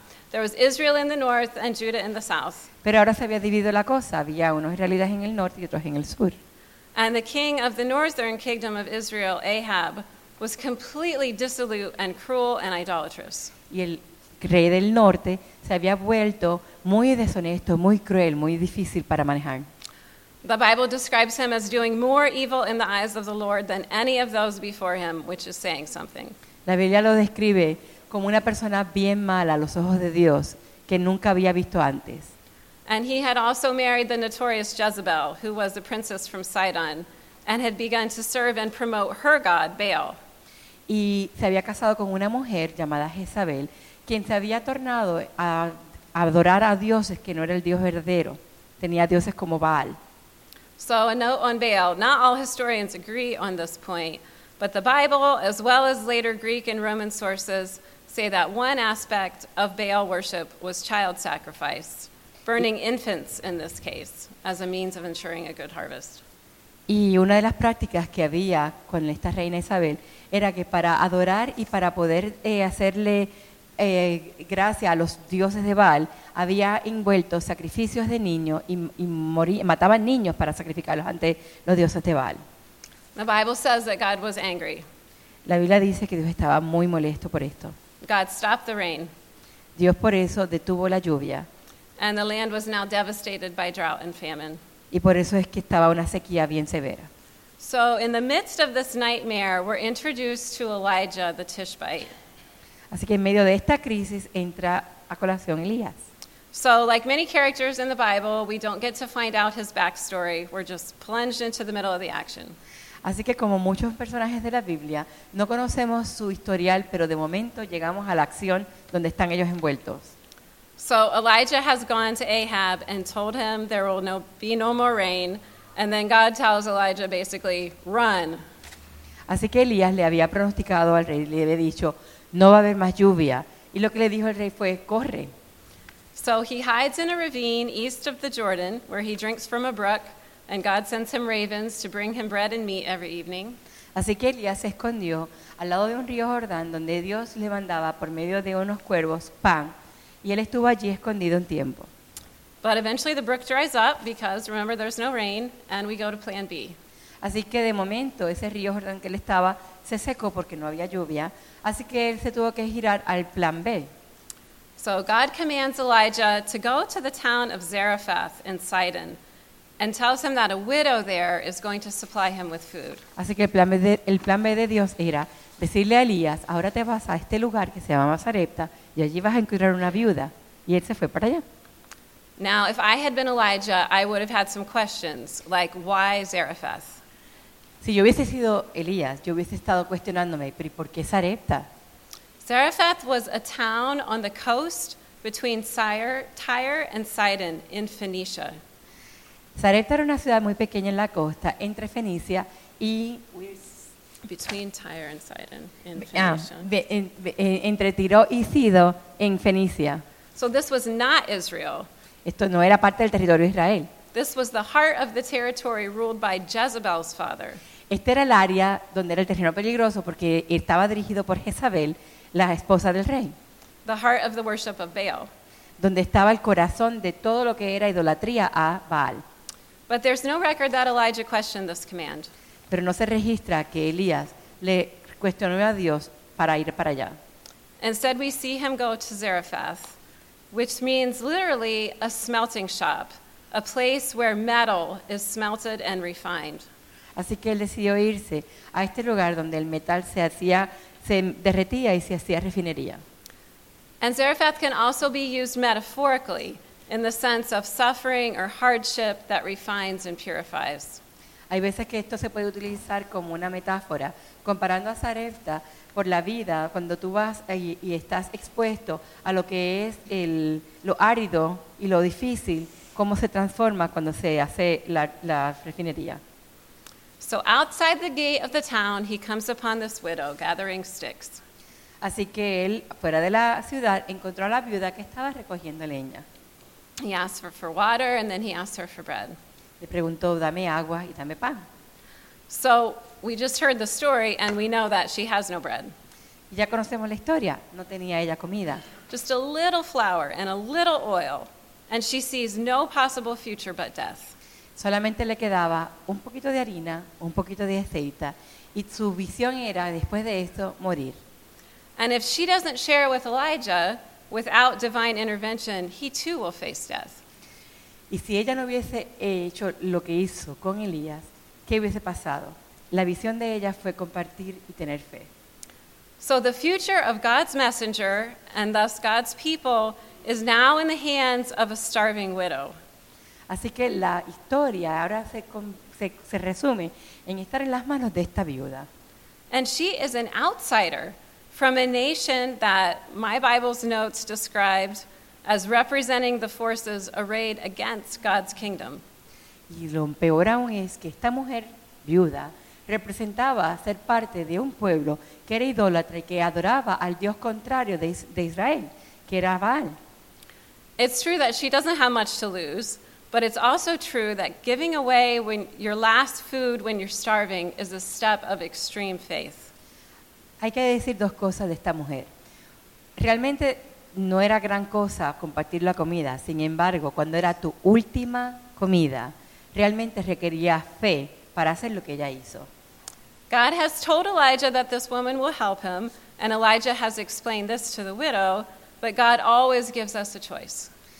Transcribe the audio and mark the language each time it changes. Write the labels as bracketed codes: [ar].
[en] There was Israel in the north and Judah in the south. [es] Pero ahora se había dividido la cosa. Había unos israelitas en el norte y otros en el sur. [en] And the king of the northern kingdom of Israel, Ahab, was completely dissolute and cruel and idolatrous. [es] Y el rey del norte se había vuelto muy deshonesto, muy cruel, muy difícil para manejar. [en] The Bible describes him as doing more evil in the eyes of the Lord than any of those before him, which is saying something. [es] La Biblia lo describe como una persona bien mala a los ojos de Dios que nunca había visto antes. [en] And he had also married the notorious Jezebel, who was a princess from Sidon, and had begun to serve and promote her god, Baal. [es] Y se había casado con una mujer llamada Jezabel, quien se había tornado a adorar a dioses que no era el dios verdadero. Tenía dioses como Baal. [en] So a note on Baal. Not all historians agree on this point, but the Bible, as well as later Greek and Roman sources, say that one aspect of Baal worship was child sacrifice, burning infants in this case, as a means of ensuring a good harvest. [es] Y una de las prácticas que había con esta reina Isabel era que para adorar y para poder hacerle gracias a los dioses de Baal, había envuelto sacrificios de niños y mataban niños para sacrificarlos ante los dioses de Baal. [en] The Bible says that God was angry. [es] La Biblia dice que Dios estaba muy molesto por esto. [en] God stopped the rain. [es] Dios por eso detuvo la lluvia. [en] And the land was now devastated by drought and famine. [es] Y por eso es que estaba una sequía bien severa. [en] So in the midst of this nightmare, we're introduced to Elijah the Tishbite. [es] Así que en medio de esta crisis entra a colación Elías. [en] So, like many characters in the Bible, we don't get to find out his backstory. We're just plunged into the middle of the action. [es] Así que como muchos personajes de la Biblia, no conocemos su historial, pero de momento llegamos a la acción donde están ellos envueltos. [en] So, Elijah has gone to Ahab and told him there will be no more rain, and then God tells Elijah basically, run. [es] Así que Elías le había pronosticado al rey, le había dicho, no va a haber más lluvia. Y lo que le dijo el rey fue, corre. [en] So he hides in a ravine east of the Jordan, where he drinks from a brook, and God sends him ravens to bring him bread and meat every evening. [es] Así que Elías se escondió al lado de un río Jordán, donde Dios le mandaba por medio de unos cuervos pan, y él estuvo allí escondido un tiempo. [en] But eventually the brook dries up because remember there's no rain and we go to plan B. [es] Así que de momento ese río Jordán que él estaba se secó porque no había lluvia, así que él se tuvo que girar al plan B. [en] So God commands Elijah to go to the town of Zarephath in Sidon and tells him that a widow there is going to supply him with food. [es] Así que el plan B de Dios era decirle a Elías, ahora te vas a este lugar que se llama Sarepta y allí vas a encontrar una viuda, y él se fue para allá. [en] Now, if I had been Elijah, I would have had some questions, like, why Zarephath? [es] Si yo hubiese sido Elías, yo hubiese estado cuestionándome, ¿pero por qué Sarepta? [en] Zarephath was a town on the coast between Tyre and Sidon in Phoenicia. [es] Sarepta era una ciudad muy pequeña en la costa, entre Fenicia y... [en] Between Tyre and Sidon in Phoenicia. [es] Entre Tiro y Sidon en Fenicia. [en] So this was not Israel. [es] Esto no era parte del territorio de Israel. [en] This was the heart of the territory ruled by Jezebel's father. [es] Este era el área donde era el terreno peligroso porque estaba dirigido por Jezabel, la esposa del rey. [en] The heart of the worship of Baal. [es] Donde estaba el corazón de todo lo que era idolatría a Baal. [en] But there's no record that Elijah questioned this command. [es] Pero no se registra que Elías le cuestionó a Dios para ir para allá. [en] Instead we see him go to Zarephath, which means literally a smelting shop, a place where metal is smelted and refined. [es] Así que él decidió irse a este lugar donde el metal se derretía y se hacía refinería. [en] And Zarephath can also be used metaphorically in the sense of suffering or hardship that refines and purifies. [es] Hay veces que esto se puede utilizar como una metáfora, comparando a Sarepta por la vida, cuando tú vas y estás expuesto a lo que es lo árido y lo difícil, cómo se transforma cuando se hace la refinería. [en] So outside the gate of the town, he comes upon this widow gathering sticks. [es] Así que él, fuera de la ciudad, encontró a la viuda que estaba recogiendo leña. [en] He asked her for water, and then he asked her for bread. [es] Le preguntó, dame agua y dame pan. [en] So we just heard the story and we know that she has no bread. [es] Y ya conocemos la historia, no tenía ella comida. [en] Just a little flour and a little oil and she sees no possible future but death. [es] Solamente le quedaba un poquito de harina, un poquito de aceite y su visión era después de esto morir. [en] And if she doesn't share with Elijah without divine intervention, he too will face death. [es] Y si ella no hubiese hecho lo que hizo con Elías, ¿qué hubiese pasado? La visión de ella fue compartir y tener fe. [en] So the future of God's messenger and thus God's people is now in the hands of a starving widow. [es] Así que la historia ahora se resume en estar en las manos de esta viuda. [en] And she is an outsider from a nation that my Bible's notes described as representing the forces arrayed against God's kingdom. [es] Y lo peor aún es que esta mujer viuda representaba ser parte de un pueblo que era idólatra y que adoraba al Dios contrario de Israel, que era Baal. [en] It's true that she doesn't have much to lose, but it's also true that giving away your last food when you're starving is a step of extreme faith. [es] Hay que decir dos cosas de esta mujer. Realmente no era gran cosa compartir la comida. Sin embargo, cuando era tu última comida, realmente requería fe para hacer lo que ella hizo. [en] God has told Elijah that this woman will help him, and Elijah has explained this to the widow, but God always gives us a choice.